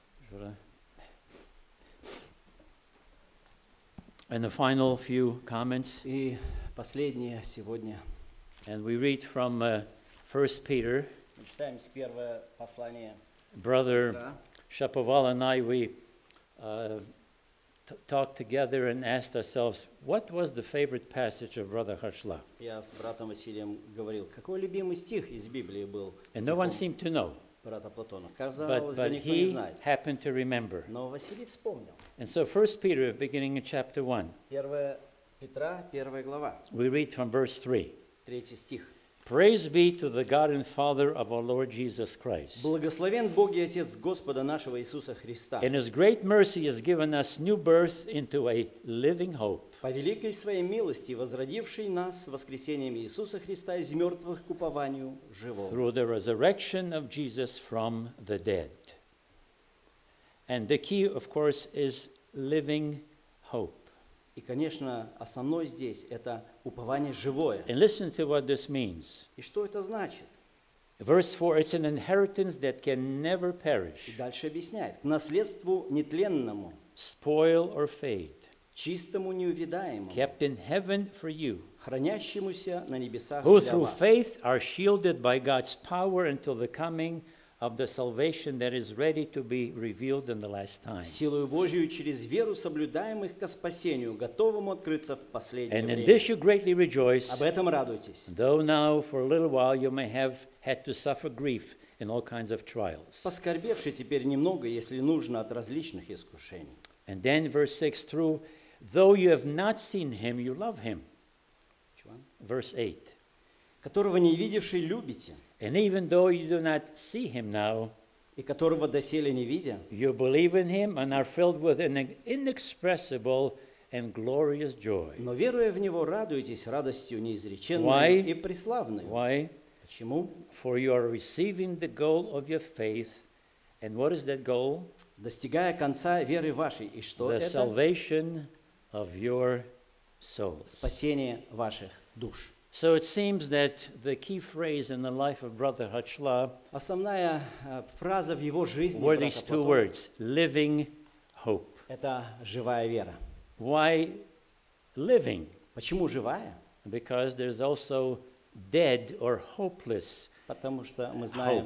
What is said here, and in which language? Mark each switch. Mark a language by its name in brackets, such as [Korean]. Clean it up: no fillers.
[Russian] Жура. [English] And the final few comments. [Russian] И последние сегодня. [English] And we read from First Peter. [Russian] Мы читаем с первого послания. [English] Brother Shapoval and I, we talked together and asked ourselves, what was the favorite passage of Brother Хашла? [Russian] Я с братом Василием говорил, какой любимый стих из Библии был? [English] And no one seemed to know. But he happened to remember. [Russian] Но Василий вспомнил. [English] And so 1 Peter, beginning in chapter 1. [Russian] 1 Петра, 1 глава. [English] We read from verse 3. [Russian] Третий стих. [English] Praise be to the God and Father of our Lord Jesus Christ. [Russian] Благословен Бог и Отец Господа нашего Иисуса Христа. [English] In His great mercy has given us new birth into a living hope. [Russian] По великой своей милости, возродивший нас воскресением Иисуса Христа из мертвых к упованию живого. [English] Through the resurrection of Jesus from the dead. And the key, of course, is living hope. [Russian] И, конечно, основной здесь это упование живое. [English] And listen to what this means. [Russian] И что это значит? [English] Verse 4, it's an inheritance that can never perish. [Russian] И дальше объясняет. К наследству нетленному. [English] Spoil or fade. [Russian] чистому неувидаемому, [English] kept in heaven for you, [Russian] хранящемуся на небесах для вас, [English] who through faith are shielded by God's power until the coming of the salvation that is ready to be revealed in the last time. [Russian] Силою Божию через веру соблюдаемых ко спасению, готовому открыться в последнее время. [English] And in this you greatly rejoice. [Russian] Об этом радуйтесь. [English] Though now for a little while you may have had to suffer grief in all kinds of trials. [Russian] Поскорбевши теперь немного, если нужно, от различных искушений. [English] And then verse 6 through, though you have not seen him, you love him. Verse 8. [Russian] Которого не видевши, любите. [English] And even though you do not see him now, [Russian] и которого доселе не видя, [English] you believe in him and are filled with an inexpressible and glorious joy. [Russian] Но веруя в него, радуетесь радостью неизреченной и преславной. [English] Why? [Russian] Почему? [English] For you are receiving the goal of your faith. And what is that goal? [Russian] Достигая конца веры вашей. И что [English] the [Russian] это? [English] Salvation of your souls. [Russian] Спасение ваших душ. [English] So it seems that the key phrase in the life of Brother Hachla, [Russian] основная фраза в его жизни, [English] were these two words, living hope. [Russian] Это живая вера. [English] Why living? [Russian] Почему живая? [English] Because there's also dead or hopeless. [Russian] Потому что мы знаем,